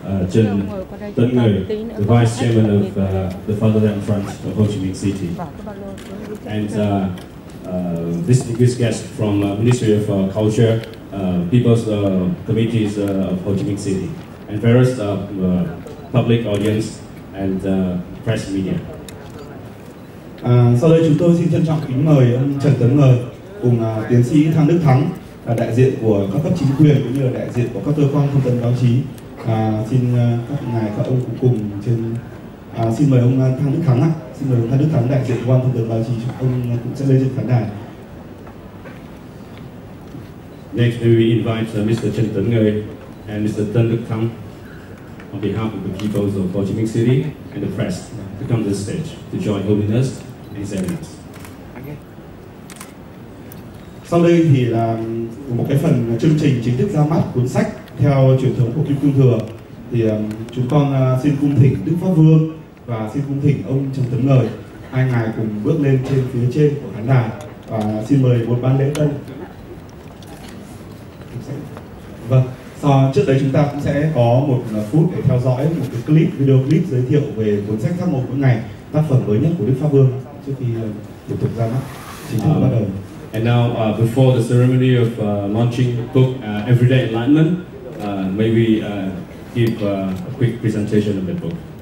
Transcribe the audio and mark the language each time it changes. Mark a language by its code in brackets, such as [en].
[en] Chen Tấn Người, the Vice Chairman of the Fatherland Front of Ho Chi Minh City, and this guest from Ministry of Culture, People's Committees of Ho Chi Minh City, and various public audience and press media. [vi] Sau đây chúng tôi xin trân trọng kính mời ông Trần Tấn Người cùng tiến sĩ Thang Đức Thắng, đại diện của các cấp chính quyền cũng như là đại diện của các cơ quan thông tấn báo chí. Xin các ngài các ông cùng trên xin mời ông Thang Đức Thắng ạ. Xin mời ông Thang Đức Thắng, đại diện cơ quan thông tấn báo chí, ông cũng sẽ lên trên khán đài. [en] Next we invite Mr. Chen Tấn Người and Mr. Thang Đức Thắng on behalf of the people of Ho Chi Minh City and the press to come to the stage to join Holiness and His Eminence. [vi] Sau đây thì là một cái phần chương trình chính thức ra mắt cuốn sách theo truyền thống của Kim Cương Thừa. Thì chúng con xin cung thỉnh Đức Pháp Vương và xin cung thỉnh ông Trần Tấn Người, hai ngài cùng bước lên trên phía trên của khán đài và xin mời một ban lễ tân. Vâng, trước đấy chúng ta cũng sẽ có một phút để theo dõi một cái clip, video clip giới thiệu về cuốn sách Thác Mộc Mỗi Ngày, tác phẩm mới nhất của Đức Pháp Vương trước khi tiếp tục ra mắt, chính thức bắt đầu. [en] And now, before the ceremony of launching the book Everyday Enlightenment, may we give a quick presentation of the book.